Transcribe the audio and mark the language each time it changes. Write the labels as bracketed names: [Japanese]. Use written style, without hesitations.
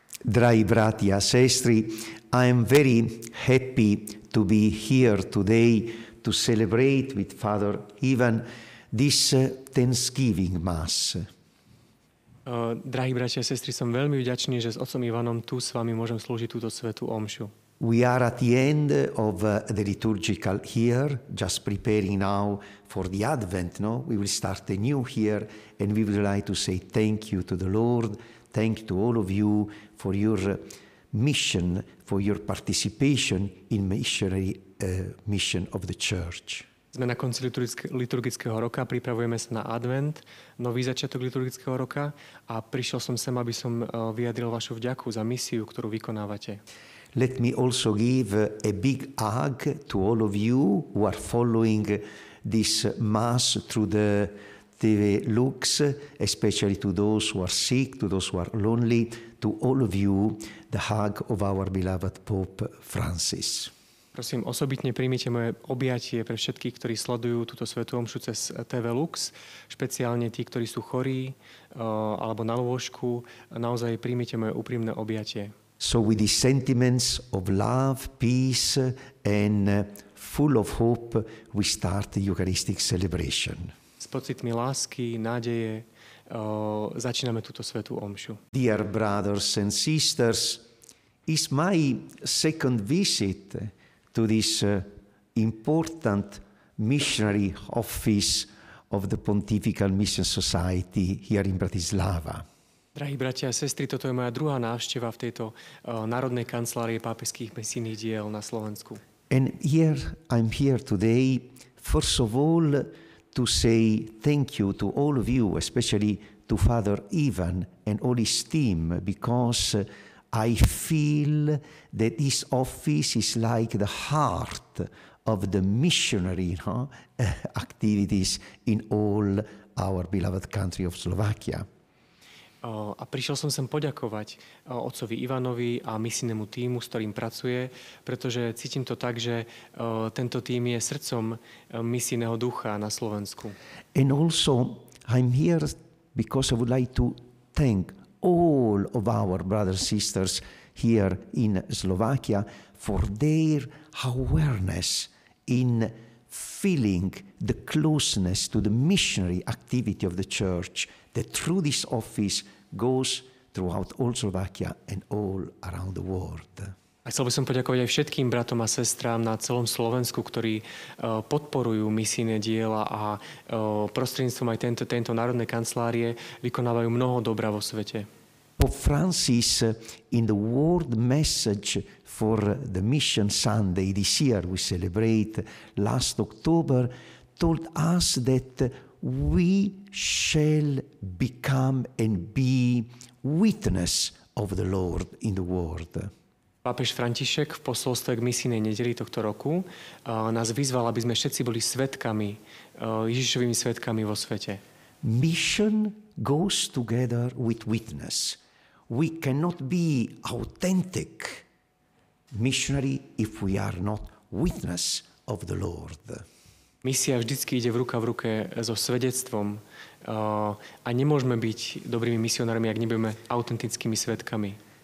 [Slovak] Drahí bratia a sestry, [English] I am very happy to be here today to celebrate with Father Ivan this Thanksgiving Mass. [Slovak] Drahí bratia a sestry, som veľmi vďačný, že s otcom Ivanom tu s vami môžem slúžiť túto svätú omšu. [English] We are at the end of the liturgical year, just preparing now for the Advent, no? We will start a new year and we would like to say thank you to the Lord. Thank you to all of you for your mission, for your participation in missionary mission of the Church. [Slovak] Sme na konci liturgického roka, pripravujeme sa na Advent, nový začiatok liturgického roka a prišiel som sem, aby som vyjadril vašu vďaku za misiu, ktorú vykonávate. [English] Let me also give a big hug to all of you who are following this Mass through the TV looks, especially to those who are sick, to those who are lonely, to all of you, the hug of our beloved Pope Francis. [Slovak] Prosím, osobitne prijmite moje objatie pre všetkých, ktorí sledujú túto svätú omšu cez TV Lux, špeciálne tí, ktorí sú chorí alebo na lôžku. Naozaj prijmite moje úprimné objatie. [English] So with the sentiments of love, peace and full of hope, we start the Eucharistic celebration. [Slovak] S pocitmi lásky, nádeje, začíname túto svätú omšu. [English] Dear brothers and sisters, it's my second visit to this important missionary office of the Pontifical Mission Society here in Bratislava. [Slovak] Drahí bratia a sestry, toto je moja druhá návšteva v tejto Národnej kancelárii pápežských misijných diel na Slovensku. [English] And here, I'm here today, first of all, to say thank you to all of you, especially to Father Ivan and all his team, because I feel that this office is like the heart of the missionary activities in all our beloved country of Slovakia. [Slovak] A prišiel som sem poďakovať otcovi Ivanovi a misijnému tímu, s ktorým pracuje, pretože cítim to tak, že tento tím je srdcom misijného ducha na Slovensku. [English] And also I'm here because I would like to thank all of our brothers and sisters here in Slovakia for their awareness in feeling the closeness to the missionary activity of the church that through this office goes throughout all Slovakia and all around the world. [Slovak] A chcel by som poďakovať aj všetkým bratom a sestrám na celom Slovensku, ktorí podporujú misijné diela a prostredníctvom aj tento národné kancelárie vykonávajú mnoho dobra vo svete. [English] Pope Francis in the World Message for the Mission Sunday this year we celebrate last October told us that we shall become and be witness of the Lord in the world. [Slovak] Pápež František v posolstve k misijnej nedeli tohto roku nás vyzval, aby sme všetci boli svedkami, Ježišovými svedkami vo svete. [English] Mission goes together with witness. We cannot be authentic missionary if we are not witness of the Lord. [Slovak] Misia vždycky ide v ruka v ruke so svedectvom a nemôžeme byť dobrými misionármi, ak nebudeme autentickými svedkami.